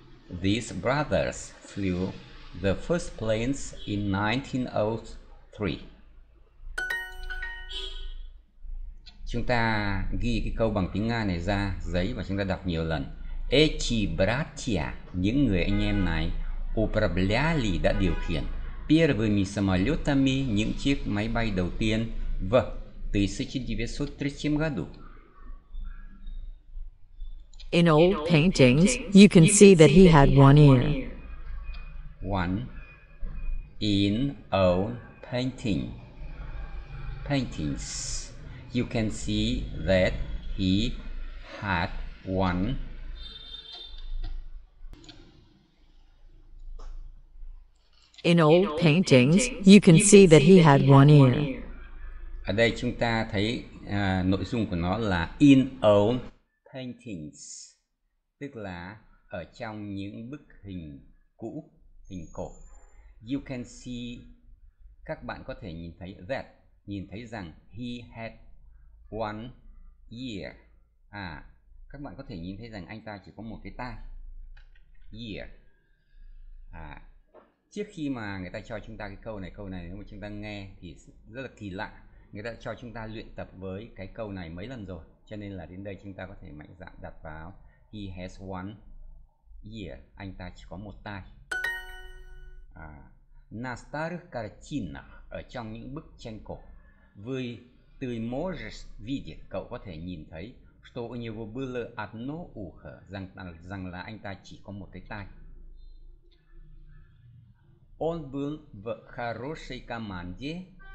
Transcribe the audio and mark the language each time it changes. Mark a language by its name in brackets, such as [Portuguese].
[English] these brothers flew the first planes in 1903. [Vietnamese] Chúng ta ghi cái câu bằng tiếng Nga này ra giấy và chúng ta đọc nhiều lần. [Russian] Эти братья, [Vietnamese] những người anh em này, [Russian] управляли, [Vietnamese] đã điều khiển [Russian] первыми самолетами, [Vietnamese] những chiếc máy bay đầu tiên, [Russian] в 1903 году. [English] In old paintings, you can see that he had one ear. One in old paintings. You can see that he had one In old paintings, you can see that he had one ear. [Vietnamese] Ở đây chúng ta thấy nội dung của nó là [English] in old paintings, [Vietnamese] tức là ở trong những bức hình cũ, hình cổ. [English] You can see, [Vietnamese] các bạn có thể nhìn thấy [English] that, [Vietnamese] nhìn thấy rằng [English] he had one ear. [Vietnamese] À, các bạn có thể nhìn thấy rằng anh ta chỉ có một cái tai. Ear. À, trước khi mà người ta cho chúng ta cái câu này nếu mà chúng ta nghe thì rất là kỳ lạ. Người ta cho chúng ta luyện tập với cái câu này mấy lần rồi, cho nên là đến đây chúng ta có thể mạnh dạn đặt vào [English] He has one ear. [Vietnamese] Anh ta chỉ có một tai. [Russian] На старых картинах, [Vietnamese] ở trong những bức tranh cổ, [Russian] вы ты можешь видеть, [Vietnamese] cậu có thể nhìn thấy, [Russian] что у него было одно ухо, [Vietnamese] rằng là anh ta chỉ có một cái tai. [Russian] Он был в хорошей команде.